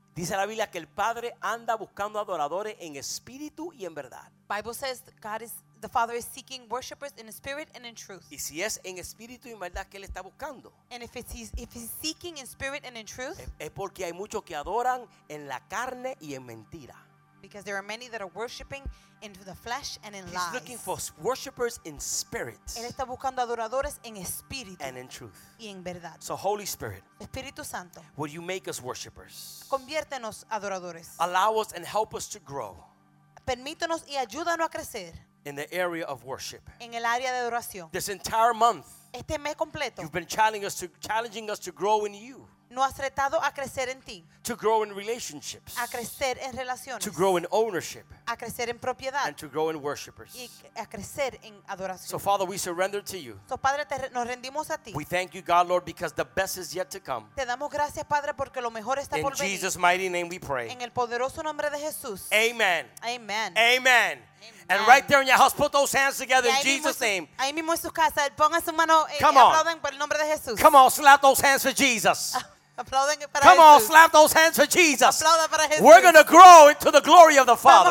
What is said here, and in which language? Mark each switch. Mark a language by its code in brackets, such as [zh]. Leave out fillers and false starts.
[es] Dice la Biblia que el Padre anda buscando adoradores en espíritu y en verdad. [en] Bible says God is the Father is seeking worshipers in spirit and in truth. [es] Y si es en espíritu y en verdad que él está buscando. [en] And if he's seeking in spirit and in truth. [es] Es porque hay muchos que adoran en la carne y en mentira. [en] Because there are many that are worshiping into the flesh and in He's He's looking for worshipers in spirit. [es] Él está buscando adoradores en espíritu. [en] And in truth. [es] Y en verdad. [en] So Holy Spirit. [es] Espíritu Santo. [en] Will you make us worshipers? [es] Conviértenos adoradores. [en] Allow us and help us to grow. [es] Permítenos y ayúdanos a crecer. [en] In the area of worship. [es] En el área de adoración. [en] This entire month. [es] Este mes completo. [en] You've been challenging us to grow in you. [es] No has retado a crecer en ti. [en] To grow in relationships. [es] A crecer en relaciones. [en] To grow in ownership. [es] A crecer en propiedad. [en] And to grow in worshipers. [es] Y a crecer en adoración. [en] So Father, we surrender to you. [es] So Padre, nos rendimos a ti. [en] We thank you, God, Lord, because the best is yet to come. [es] Te damos gracias, Padre, porque lo mejor está por venir. [en] In Jesus' mighty name we pray. [es] En el poderoso nombre de Jesús. Amen. Amen. Amen. [en] And right there in your house, put those hands together in Jesus' name. [es] Ahí mismo en su casa, pongan su mano y aplauden por el nombre de Jesús. [en] Come on, slap those hands for Jesus. [es] Para [en] Come Jesus. On, slap those hands for Jesus. [es] Para Jesus. [en] We're going to grow into the glory of the Father.